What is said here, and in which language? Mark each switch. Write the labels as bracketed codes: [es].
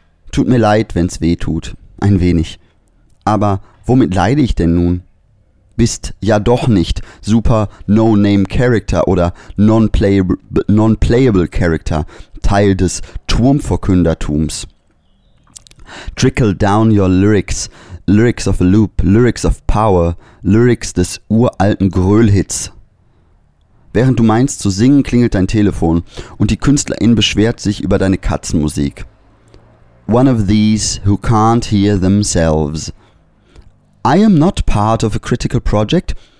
[de] Tut mir leid, wenn's weh tut. Ein wenig. Aber womit leide ich denn nun? Bist ja doch nicht super No-Name-Character oder Non-Playable-Character, Teil des Turmverkündertums. [en] Trickle down your lyrics, lyrics of a loop, lyrics of power, lyrics [de] des uralten Gröhlhits. Während du meinst zu singen, klingelt dein Telefon und die Künstlerin beschwert sich über deine Katzenmusik. [en] One of these who can't hear themselves. I am not part of a critical project.